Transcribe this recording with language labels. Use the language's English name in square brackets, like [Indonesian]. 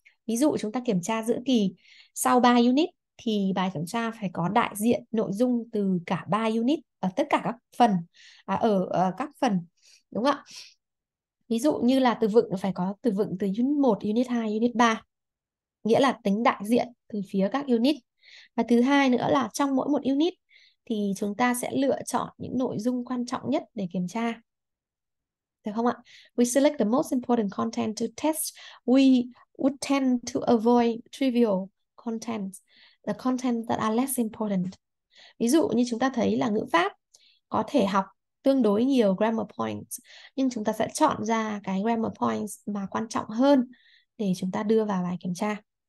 [Vietnamese] Ví dụ chúng ta kiểm tra giữa kỳ sau 3 unit thì bài kiểm tra phải có đại diện nội dung từ cả 3 unit ở tất cả các phần ở các phần đúng không ạ? Ví dụ như là từ vựng phải có từ vựng từ unit 1, unit 2, unit 3. Nghĩa là tính đại diện từ phía các unit. Và thứ hai nữa là trong mỗi một unit thì chúng ta sẽ lựa chọn những nội dung quan trọng nhất để kiểm tra. Được không ạ? [English] We select the most important content to test. We would tend to avoid trivial content, the content that are less important. [Vietnamese] Ví dụ như chúng ta thấy là ngữ pháp có thể học tương đối nhiều grammar points, nhưng chúng ta sẽ chọn ra cái grammar points mà quan trọng hơn để chúng ta đưa vào bài kiểm tra.